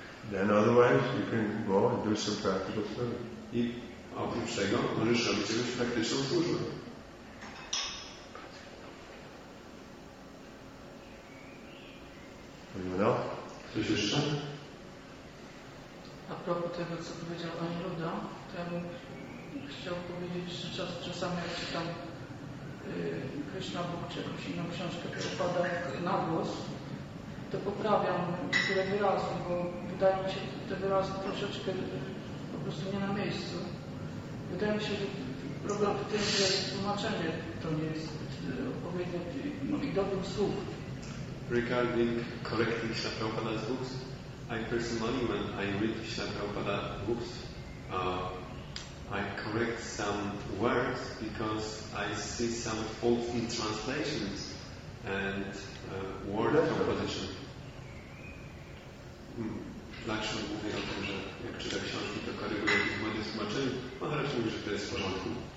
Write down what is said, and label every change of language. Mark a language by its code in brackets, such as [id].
[en] Then otherwise, you can go and do some practical study. [pl] Oprócz tego możesz robić jakąś praktyczną służbę. Coś jeszcze? A propos tego, co powiedział pan Ruda, to ja bym chciał powiedzieć, że czasami jak czytam [en] Krishna Book [pl] czy jakąś inną książkę, przypada na głos, to poprawiam niektóre wyrazy, bo wydaje mi się, te wyrazy troszeczkę po prostu nie na miejscu. Wydaje mi się, że problem w tym, że tłumaczenie to nie jest odpowiednie i dobrym słów. [en] Regarding correcting Śrīla Prabhupada's books, I personally, when I read Śrīla Prabhupada's books, I correct some words because I see some faults in translations and word composition. [pl] Lakshmi mówi o tym, że jak czyta książki, to koryguje w moim tłumaczeniu. On raczej mówi, że to jest w porządku.